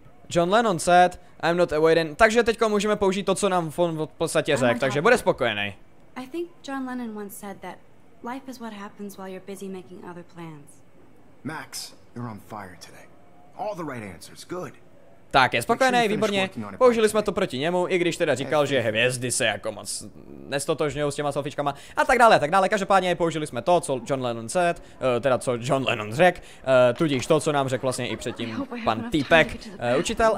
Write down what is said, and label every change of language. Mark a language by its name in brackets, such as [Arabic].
[English] John Lennon said, I'm not avoiding. [Czech] Takže teďkon můžeme použít to, co nám on v podstatě řekl, takže bude spokojený. [English] I think John Lennon once said that Life is what happens while you're busy making other plans. Max, you're on fire today. All the right answers, good. [Czech] Tak, je spokojený, výborně. Použili jsme to proti němu, i když teda říkal, že hvězdy se jako moc nestotožňují s těma selfiečkama a tak dále, a tak dále. Každopádně použili jsme to, co [English] John Lennon said, [Czech] teda co John Lennon řekl, tudíž to, co nám řekl vlastně i předtím pan týpek, učitel.